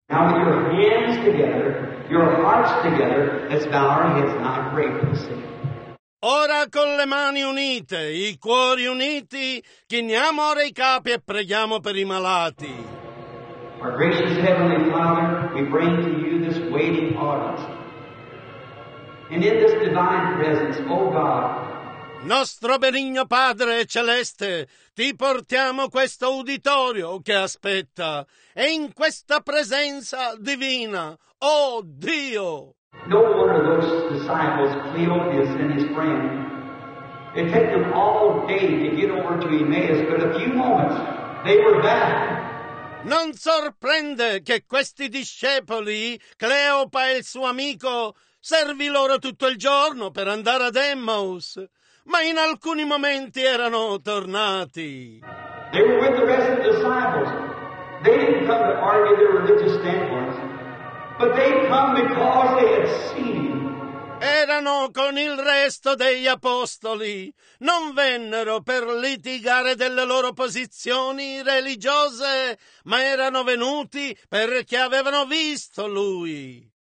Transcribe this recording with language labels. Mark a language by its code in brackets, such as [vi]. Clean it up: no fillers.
[en] Now with your hands together, your hearts together, let's bow our heads and I pray for the sick. [it] Ora con le mani unite, i cuori uniti, chiniamo ora i capi e preghiamo per i malati. [en] Our gracious Heavenly Father, we bring to you this waiting audience. And in this divine presence, O God, [it] nostro benigno Padre Celeste, ti portiamo questo uditorio che aspetta, e in questa presenza divina, O Dio. [en] No wonder those disciples, Cleopas and his friend, it took them all day to get over to Emmaus, but a few moments, they were back. [it] Non sorprende che questi discepoli, Cleopa e il suo amico, servì loro tutto il giorno per andare ad Emmaus, ma in alcuni momenti erano tornati. [en] They were with the rest of the disciples. They didn't come to argue their religious standpoints, but they come because they had seen. [it] Erano con il resto degli apostoli. Non vennero per litigare delle loro posizioni religiose, ma erano venuti perché avevano visto lui.